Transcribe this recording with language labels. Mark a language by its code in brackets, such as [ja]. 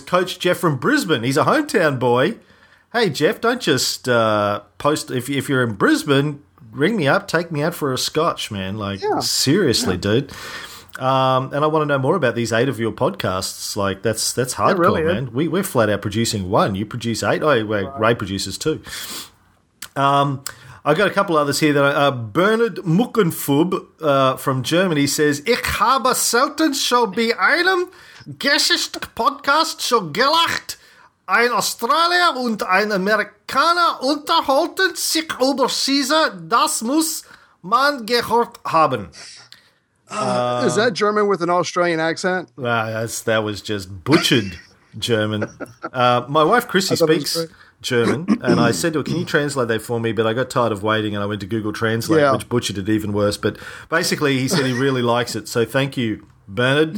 [en] Coach Jeff from Brisbane. He's a hometown boy. Hey, Jeff, don't just post – if you're in Brisbane, ring me up. Take me out for a scotch, man. Seriously, dude. And I want to know more about these 8 of your podcasts. Like, that's hardcore, really, man. We're flat out producing 1. You produce 8. Ray produces 2. I've got a couple others here. Bernard Muckenfub from Germany says, [de] Ich habe selten schon bei einem gesicht Podcast schon gelacht. Ein Australier und ein Amerikaner unterhalten sich über Caesar. Das muss man gehört haben. [en] Is that German with an Australian accent? That was just butchered German. My wife, Chrissy, speaks German, and I said to her, can you translate that for me? But I got tired of waiting, and I went to Google Translate, which butchered it even worse. But basically, he said he really likes it. So thank you, Bernard.